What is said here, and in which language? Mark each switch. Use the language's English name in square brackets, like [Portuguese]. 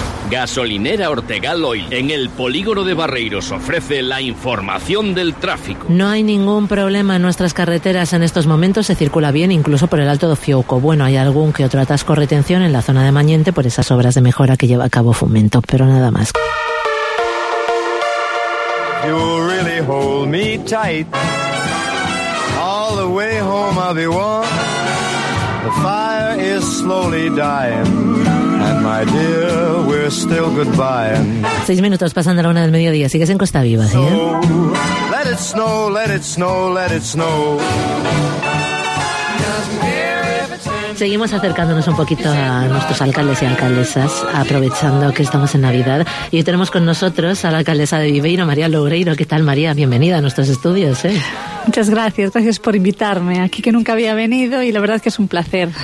[Spanish] Gasolinera Ortegal Oil, en el polígono de Barreiros, ofrece la información del tráfico. No hay ningún problema en nuestras carreteras en estos momentos, se circula bien incluso por el Alto do Fiouco. Bueno, hay algún que otro atasco retención en la zona de Mañente por esas obras de mejora que lleva a cabo Fomento, pero nada más. [English] You really hold me tight. All the way home I'll be warm. The fire is slowly dying. My dear, we're still goodbye. [Spanish] 6 minutos pasan de la 1 del mediodía, sigues en Costa Viva, ¿sí? [English] Snow, let it snow, let it snow, let it snow. [Spanish] Seguimos acercándonos un poquito a nuestros alcaldes y alcaldesas, aprovechando que estamos en Navidad. Y hoy tenemos con nosotros a la alcaldesa de Viveiro, María Loureiro. ¿Qué tal, María? Bienvenida a nuestros estudios, ¿eh? Muchas gracias. Gracias por invitarme aquí, que nunca había venido, y la verdad es que es un placer.